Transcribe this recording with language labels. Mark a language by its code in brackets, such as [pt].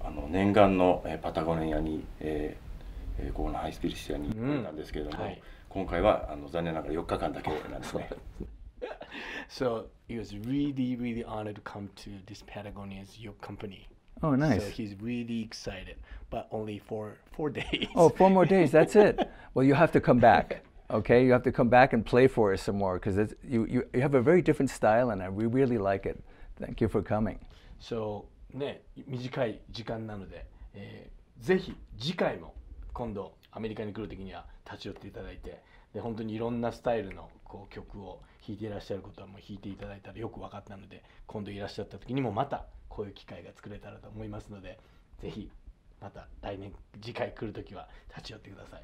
[ja] 念願のパタゴニアに、ここのハイスピリシアになんですけれども、うん、今回は残念ながら4日間だけなんですね。 [en] So he was really, really honored to come to this Patagonia's your company. Oh, nice. So he's really excited, but only for 4 days. Oh, 4 more days, that's it. Well, you have to come back. Okay, you have to come back and play for us some more because you have a very different style and we really like it. Thank you for coming. [ja] So, ね、短い時間なので、ぜひ次回も今度アメリカに来る時には立ち寄っていただいて、で本当にいろんなスタイルのこう曲を弾いていらっしゃることはもう弾いていただいたらよく分かったので、今度いらっしゃった時にもまたこういう機会が作れたらと思いますので、ぜひまた来年次回来る時は立ち寄ってください。